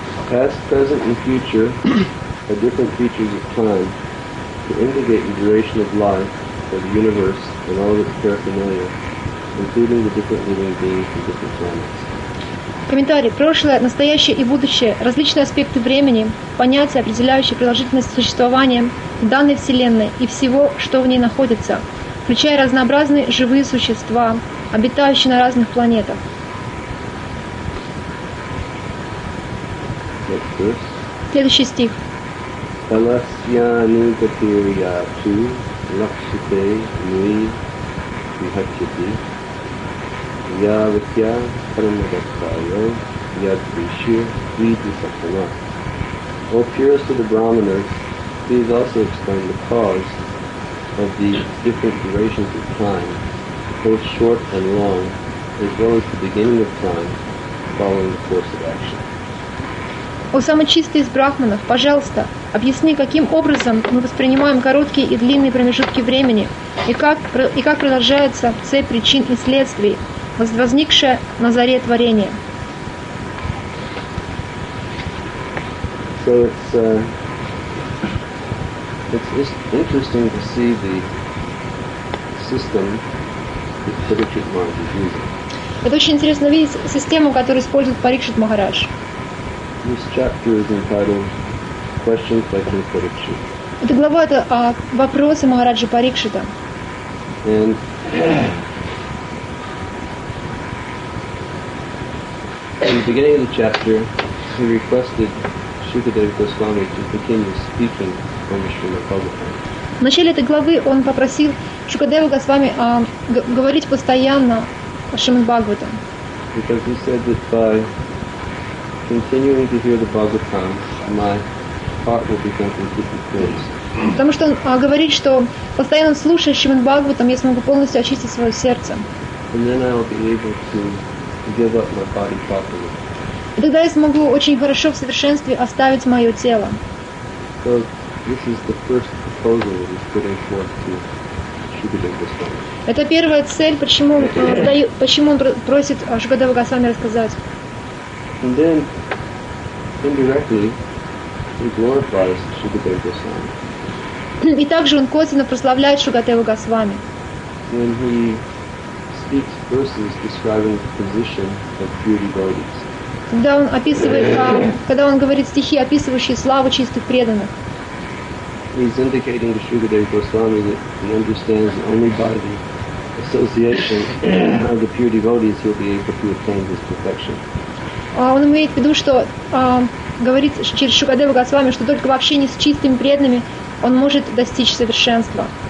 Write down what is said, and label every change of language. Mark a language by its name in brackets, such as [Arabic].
[English] Past, present, and future are different features of time to indicate the duration of life of the universe and all of its paraphernalia, including the different living beings from different planets. [Russian] Комментарий. Прошлое, настоящее и будущее – различные аспекты времени, понятия, определяющие продолжительность существования данной Вселенной и всего, что в ней находится, включая разнообразные живые существа, обитающие на разных планетах. Следующий стих. [Sanskrit] Таласьяны Гатирия Ту Лакшите Нуи Вихачити Явитя Парамагатхайо Ядвиши Види Сахана. [English] O purest of the Brahmanas, please also explain the cause of the different durations of time, both short and long, as well as the beginning of time, following the course of action. [Russian] О самый чистый из брахманов, пожалуйста, объясни, каким образом мы воспринимаем короткие и длинные промежутки времени, и как продолжается цепь причин и следствий, возникшая на заре творения. [English] So it's interesting to see the system that Parikshit Maharaj is using. [Russian] Это очень интересно видеть систему, которую использует Парикшит Махарадж. [English] This chapter is entitled Questions by King Parikshit. [Russian] Эта глава – это вопросы Махараджи Парикшита. [English] And in the beginning of the chapter, he requested Shukadev Goswami to continue speaking on the Srimad Bhagavatam. [Russian] В начале этой главы он попросил Шукадева Госвами говорить постоянно о Шримад Бхагаватам. [English] Because he said that by continuing to hear the Bhagavatam, my heart will become completely cleansed. [Russian] Потому что он говорит, что постоянно слушая Шримад Бхагаватам, я смогу полностью очистить свое сердце. [English] And then I'll be able to give up my body properly. [Russian] И тогда я смогу очень хорошо в совершенстве оставить мое тело. [English] So this is the first proposal that he's putting forth to Shukadeva Goswami. [Russian] Это первая цель, почему он просит Шукадева Госвами рассказать. [English] And then, indirectly, he glorifies Shukadeva Goswami. [Russian] И также он косвенно прославляет Шукадеву Госвами. [English] When he speaks verses describing the position of pure devotees. [Russian] Когда он описывает, когда он говорит стихи, описывающие славу чистых преданных. [English] He's indicating to Shukadeva Goswami that he understands only by the association of the pure devotees he'll be able to attain his perfection. [Russian] Он имеет в виду, что говорит через Шукадеву Госвами, что только в общении с чистыми преданными он может достичь совершенства.